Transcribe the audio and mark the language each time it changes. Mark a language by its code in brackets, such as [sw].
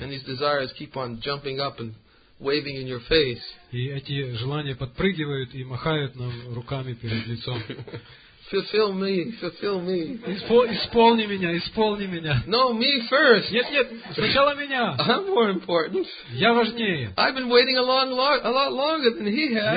[en] And these desires keep on jumping up and waving in your face. [ru] И эти желания подпрыгивают и махают нам руками перед лицом. [en] Fulfill me, fulfill me. [ru] Исполни меня, исполни меня. [en] No, me first. [ru] Нет, нет, сначала меня. [en] I'm more important. [ru] Я важнее. [en] I've been waiting a lot longer than he has.